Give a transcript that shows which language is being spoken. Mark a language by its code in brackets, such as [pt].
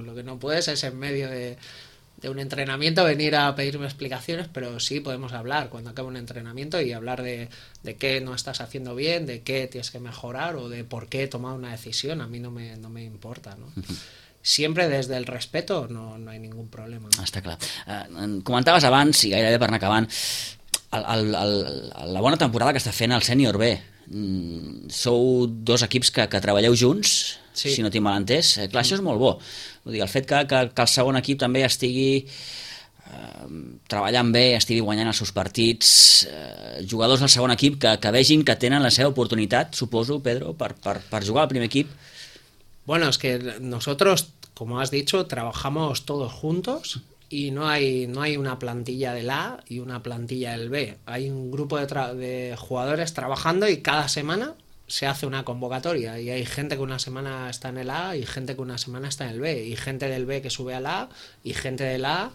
[es] Lo que no puedes es en medio de un entrenamiento venir a pedirme explicaciones, pero sí podemos hablar cuando acabe un entrenamiento y hablar de qué no estás haciendo bien, de qué tienes que mejorar o de por qué he tomado una decisión. A mí no me importa, ¿no? Siempre desde el respeto no hay ningún problema, ¿no? [ca] Està clar. Comentaves abans, i gairebé per anar acabant, la bona temporada que està fent el Sènior B. Sou dos equips que treballeu junts, sí. Si no tinc mal entès. Clar, això és molt bo. Vull dir, el fet que el segon equip també estigui treballant bé, estigui guanyant els seus partits, jugadors del segon equip que vegin que tenen la seva oportunitat, suposo, Pedro, per jugar al primer equip. [es] Bueno, es que nosotros, como has dicho, trabajamos todos juntos y no hay una plantilla del A y una plantilla del B. Hay un grupo de jugadores trabajando y cada semana se hace una convocatoria y hay gente que una semana está en el A y gente que una semana está en el B y gente del B que sube al A y gente del A